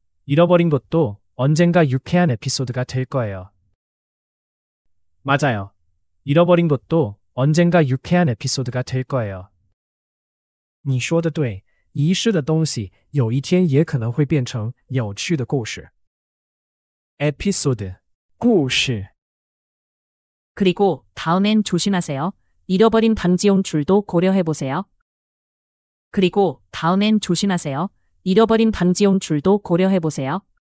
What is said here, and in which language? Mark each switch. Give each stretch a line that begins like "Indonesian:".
Korean: 잃어버린 것도 언젠가 유쾌한 에피소드가 될 거예요. 맞아요. 잃어버린 것도 언젠가 유쾌한 에피소드가 될 거예요.
Chinese: 你说的对。遗失的东西有一天也可能会变成有趣的故事. Episode 故事.
Korean: 그리고 다음엔 조심하세요. 잃어버린 반지용 줄도 고려해보세요. 그리고 다음엔 조심하세요. 잃어버린 반지용 줄도 고려해보세요.